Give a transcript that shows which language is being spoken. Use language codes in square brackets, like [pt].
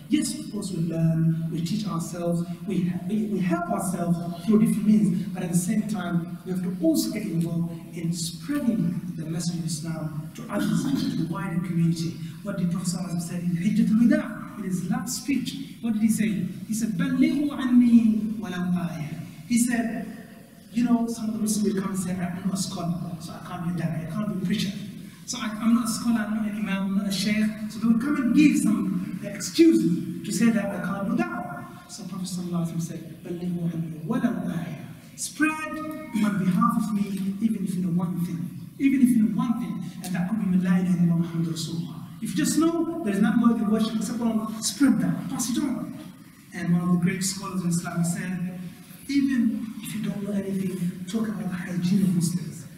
[en] Yes, of course we learn, we teach ourselves, we help ourselves through different means, but at the same time, we have to also get involved in spreading the message of Islam to others, to the wider community. What did Prophet ﷺ say in Hijjat al-Wida? In his last speech, what did he say? He said, [ar] بَلِّغُوا عَنِّي وَلَوْ آيَةً. [en] He said, you know, some of the Muslims will come and say, I'm not a scholar, so I can't be a da'i, I can't be a preacher. So I'm not a scholar, I'm not an imam, I'm not a sheikh. So they will come and give some excuses to say that I can't do da'wah. So Prophet ﷺ said, [ar] بَلِّغُوا عَنِّي وَلَوْ آيَةً. [en] Spread on behalf of me, even if you know one thing. Even if you know one thing, and that could be Malayna and Muhammad Rasulullah. If you just know there is not worthy of worship except on, spread that, pass it on. And one of the great scholars in Islam said, even if you don't know anything, talk about the hygiene of Muslims.